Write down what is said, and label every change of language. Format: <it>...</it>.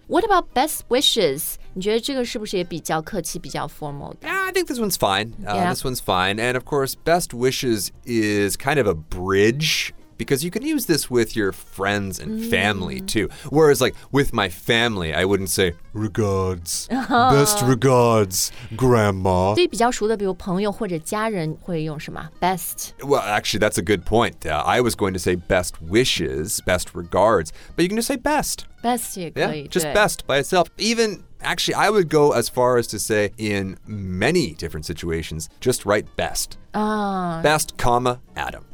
<en>What about best wishes</en> <zh>你觉得这个是不是也比较客气比较 formal 的</zh> <en>Yeah, I think this one's fine、 yeah. This one's fine And of course best wishes is kind of a bridgeBecause you can use this with your friends and family,、mm. too. Whereas, like, with my family, I wouldn't say, regards,、 oh. best regards, grandma.</en> <zh>对比较熟的比如朋友或者家人会用什么 best.</zh> <en>Well, actually, that's a good point.、I was going to say best wishes, best regards, but you can just say best.</en> <zh>Best 也可以</zh> <en>Yeah, just best by itself. Even... Actually, I would go as far as to say in many different situations, just write best.、Best, comma, Adam.、</en>